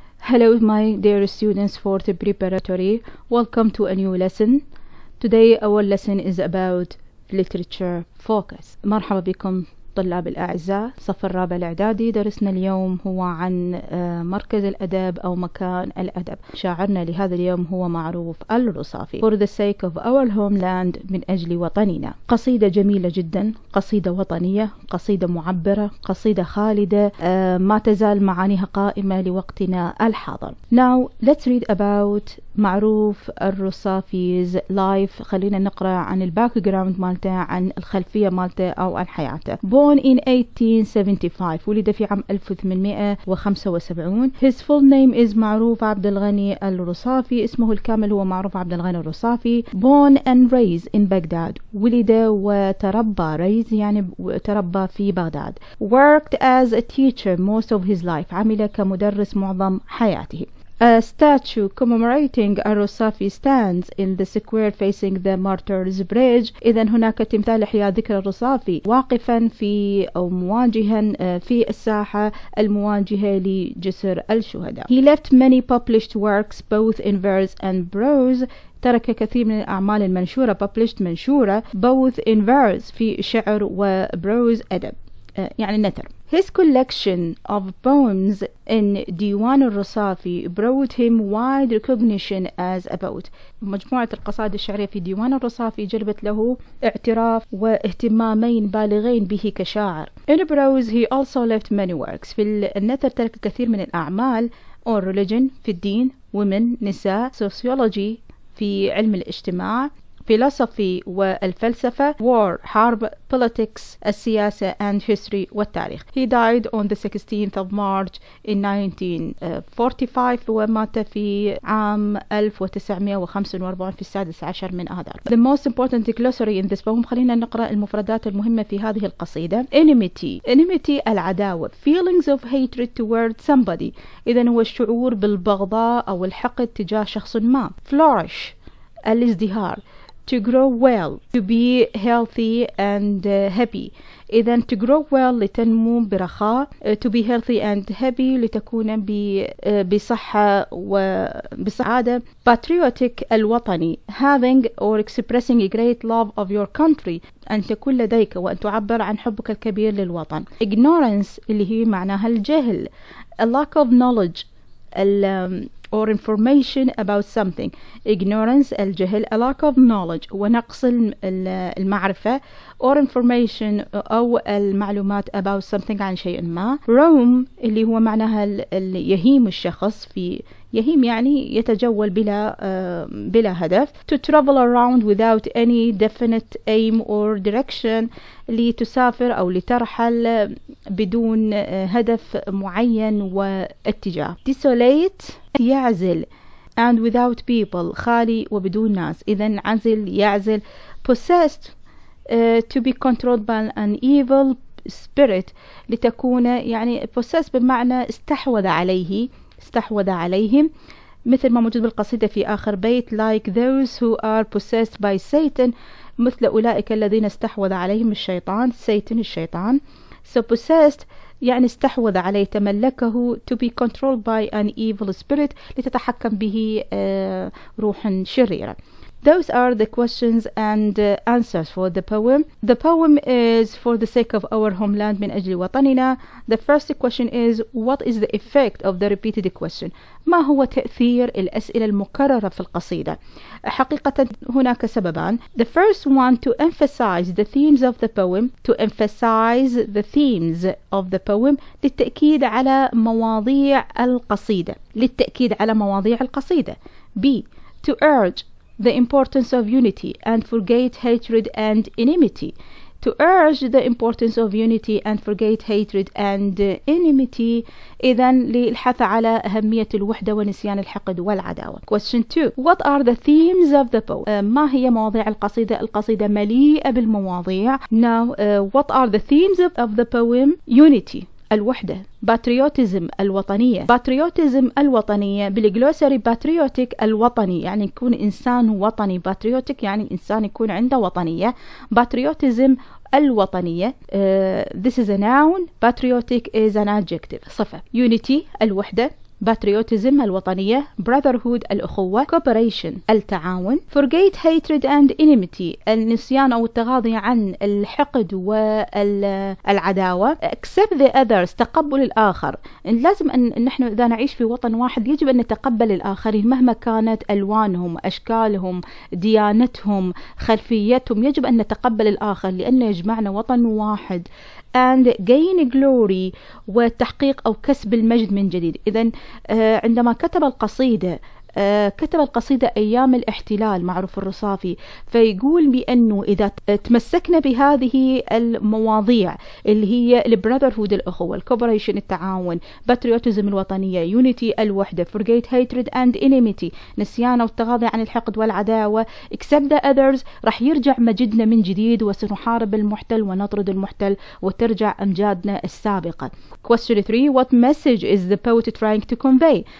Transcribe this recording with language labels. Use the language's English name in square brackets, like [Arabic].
[English] Hello my dear students for the preparatory. Welcome to a new lesson. Today our lesson is about literature focus. [Arabic] مرحبا بكم طلاب الأعزاء. صف الرابع الإعدادي درسنا اليوم هو عن مركز الأدب أو مكان الأدب. شاعرنا لهذا اليوم هو معروف الرصافي. [English] For the sake of our homeland, [Arabic] من أجل وطننا. قصيدة جميلة جدا. قصيدة وطنية. قصيدة معبرة. قصيدة خالدة. ما تزال معانيها قائمة لوقتنا الحاضر. [English] Now let's read about معروف الرصافي's life. [Arabic] خلينا نقرأ عن الباكجراوند مالته، عن الخلفية مالته أو عن حياته. [English] Born in 1875. [Arabic] ولد في عام 1875. [English] His full name is معروف عبد الغني الرصافي. [Arabic] اسمه الكامل هو معروف عبد الغني الرصافي. [English] Born and raised in Baghdad. [Arabic] ولد وتربى، raised يعني تربى في بغداد. [English] Worked as a teacher most of his life. [Arabic] عمل كمدرس معظم حياته. [English] A statue commemorating الرصافي stands in the square facing the Martyrs Bridge. [Arabic] إذا هناك تمثال إحياء ذكرى الرصافي واقفا في أو مواجها في الساحة المواجهة لجسر الشهداء. [English] He left many published works both in verse and prose. [Arabic] ترك كثير من الأعمال المنشورة published منشورة [English] both in verse [Arabic] في شعر وprose أدب يعني نثر. [English] His collection of poems in Diwan al-Rusafi brought him wide recognition as a poet. [Arabic] مجموعة القصائد الشعرية في ديوان الرصافي جلبت له اعتراف واهتمامين بالغين به كشاعر. [English] In prose he also left many works. [Arabic] في النثر ترك كثير من الأعمال. [English] On religion [Arabic] في الدين. [English] Women نساء. [Arabic] Sociology في علم الاجتماع. Philosophy والفلسفة. War حرب. Politics السياسة. [English] And history والتاريخ. He died on the 16th of March in 1945 [Arabic] ومات في عام 1945 في 16 من آذار. [English] The most important glossary in this poem. [Arabic] خلينا نقرأ المفردات المهمة في هذه القصيدة. [English] Enmity. Enmity العداوة. Feelings of hatred towards somebody. [Arabic] إذن هو الشعور بالبغضاء أو الحقد تجاه شخص ما. [English] Flourish الازدهار. To grow well, to be healthy and happy. [Arabic] إذن [English] to grow well [Arabic] لتنمو برخاء. [English] To be healthy and happy [Arabic] لتكون بصحة وبسعادة. [English] Patriotic الوطني. Having or expressing a great love of your country. [Arabic] أن تكون لديك وأن تعبر عن حبك الكبير للوطن. Ignorance اللي هي معناها الجهل. [English] A lack of knowledge. Or information about something. Ignorance, الجهل. A lack of knowledge, [Arabic] ونقص المعرفة. [English] Or information, [Arabic] أو المعلومات [English] about something, [Arabic] عن شيء ما. Roam, اللي هو معناها يهيم الشخص في يهيم يعني يتجول بلا هدف. [English] To travel around without any definite aim or direction. [Arabic] لتسافر أو لترحل بدون هدف معين واتجاه. Desolate. يعزل [English] and without people [Arabic] خالي وبدون ناس. إذن عزل يعزل. [English] Possessed to be controlled by an evil spirit. [Arabic] لتكون يعني possessed بمعنى استحوذ عليه استحوذ عليهم مثل ما موجود بالقصيدة في آخر بيت. [English] Like those who are possessed by Satan. [Arabic] مثل أولئك الذين استحوذ عليهم الشيطان. Satan الشيطان. So possessed يعني استحوذ عليه تملكه. [English] To be controlled by an evil spirit [Arabic] لتتحكم به روح شريرة. [English] Those are the questions and answers for the poem. The poem is for the sake of our homeland, [Arabic] من أجل وطننا. [English] The first question is, what is the effect of the repeated question? [Arabic] ما هو تأثير الأسئلة المكررة في القصيدة؟ حقيقة هناك سببان. [English] The first one, to emphasize the themes of the poem. To emphasize the themes of the poem. [Arabic] للتأكيد على مواضيع القصيدة. للتأكيد على مواضيع القصيدة. [English] B, to urge the importance of unity and forget hatred and enmity. To urge the importance of unity and forget hatred and enmity. [Arabic] إذن للحث على أهمية الوحدة ونسيان الحقد والعداوة. [English] Question 2. What are the themes of the poem? [Arabic] ما هي مواضيع القصيدة؟ القصيدة مليئة بالمواضيع. [English] Now, what are the themes of the poem? Unity. الوحدة. [Arabic] Patriotism الوطنية. Patriotism الوطنية بالجلوسري. Patriotic الوطني يعني يكون إنسان وطني. Patriotic يعني إنسان يكون عنده وطنية. Patriotism [English] الوطنية. This is a noun. Patriotic is an adjective. [Arabic] صفة. [English] Unity الوحدة. Patriotism الوطنية. Brotherhood الأخوة. [Arabic] Cooperation التعاون. [English] Forget hatred and enmity [Arabic] النسيان أو التغاضي عن الحقد والعداوة. [English] Accept the others [Arabic] تقبل الآخر. لازم أن نحن إذا نعيش في وطن واحد يجب أن نتقبل الآخرين مهما كانت ألوانهم أشكالهم ديانتهم خلفيتهم يجب أن نتقبل الآخر لأنه يجمعنا وطن واحد. [English] And gain glory [Arabic] وتحقيق أو كسب المجد من جديد. إذن عندما كتب القصيدة كتب القصيدة أيام الاحتلال معروف الرصافي فيقول بأنه إذا تمسكنا بهذه المواضيع اللي هي البراذرهود الأخوة الكوبريشن التعاون باتريوتزم الوطنية يونيتي الوحدة [English] forget hatred and enmity [Arabic] نسيان والتغاضي عن الحقد والعداوة [English] accept the others [Arabic] رح يرجع مجدنا من جديد وسنحارب المحتل ونطرد المحتل وترجع أمجادنا السابقة. [English] Question 3 What message is the poet trying to convey?